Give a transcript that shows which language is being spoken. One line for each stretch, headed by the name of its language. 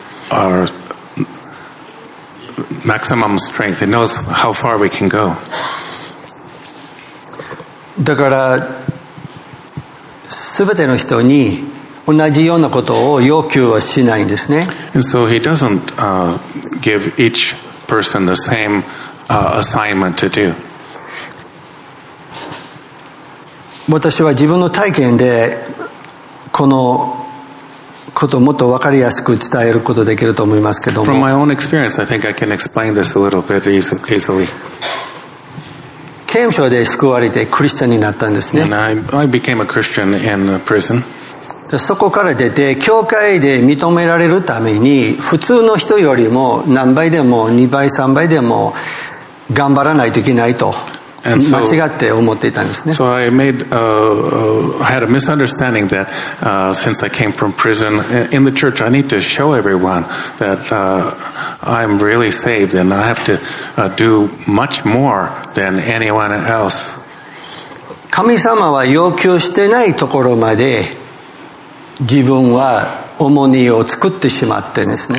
English: our maximum strength. He knows how far we can go.
Japanese: だから、すべての人に同じようなことを要求はしないんですね。
English: And so he doesn't give each person the same assignment to do.
Japanese: 私は自分の体験でこのことをもっと分かりやすく伝えることができると思いますけども。
English: From my own experience, I think I can explain this a little bit easily.
Japanese: 刑務所で救われてクリスチャンになったんですね。
English: And I became a Christian in prison.
Japanese: そこから出て教会で認められるために、普通の人よりも何倍でも2倍3倍でも頑張らないといけないと間違って思っていたんですね。
English: So I made I had a misunderstanding that since I came from prison in the church, I need to show everyone that I'm really saved and I have to do much more than anyone else.
Japanese: 神様は要求してないところまで自分は重荷を作ってしまってですね。